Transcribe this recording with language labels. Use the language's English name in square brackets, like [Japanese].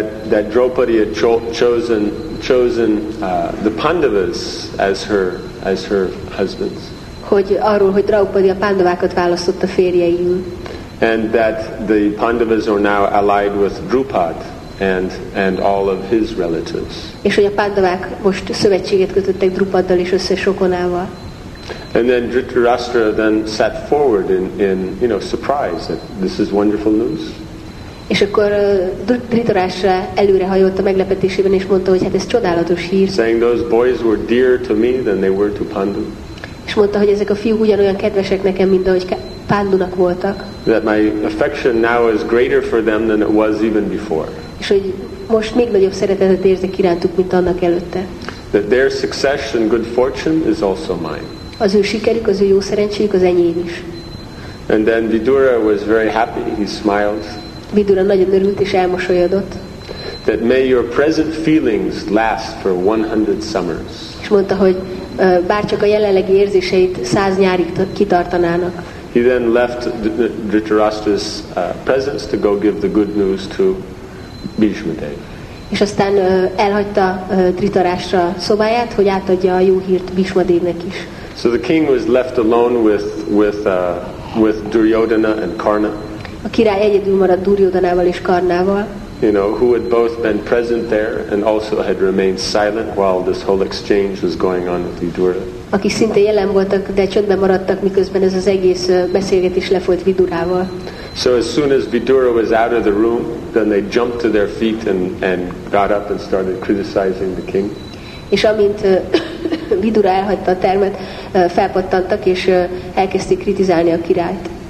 [English] That Draupadi had chosen the Pandavas as her husbands. [Hungarian] Hogy arról, hogy Draupadi a Pándavákat választotta férjeiül. [English] And that the Pandavas are now allied with Drupad. And all of his relatives. [Hungarian] És hogy a Pándavák most szövetséget kötöttek Drupaddal és összes rokonával. [English] And then Dhritarashtra then sat forward in you know surprise that this is wonderful news. [Hungarian] És akkor Dhritarashtra előre hajolt a meglepetésében és mondta, hogy hát ez csodálatos hír. [English] Saying those boys were dear to me than they were to Pandu. [Hungarian] És mondta, hogy ezek a fiúk ugyanolyan kedvesek nekem, mint ahogy Pándunak voltak. [English] That my affection now is greater for them than it was even before. [Hungarian] És hogy most még nagyobb szeretetet érzek irántuk, mint annak előtte. [English] That their success and good fortune is also mine. [Hungarian] Az ő sikerük, az ő jó szerencséjük, az enyém is. [English] And then Vidura was very happy, he smiled. [Hungarian] Vidura nagyon örült és elmosolyodott. [English] That may your present feelings last for 100 summers. [Hungarian] És mondta, hogy bárcsak a jelenlegi érzéseit 100 nyárig kitartanának. [English] He then left Dhritarashtra's presence to go give the good news to Bhishmadev. [Hungarian] És aztán elhagyta Dhritarashtra szobáját, hogy átadja a jó hírt Bhishmadevnek is. [English] So the king was left alone with Duryodhana and Karna. [Hungarian] A király egyedül maradt Duryodhanával és Karnával. [English] You know, who had both been present there and also had remained silent while this whole exchange was going on with Vidura. [Hungarian] Akik szinte jelen voltak, de csöndben maradtak, miközben ez az egész beszélgetés lefolyt Vidurával. [English] So as soon as Vidura was out of the room, then they jumped to their feet and got up and started criticizing the king. [Hungarian] És amint Vidura elhagyta a termet, felpattantak és elkezdték kritizálni a királyt.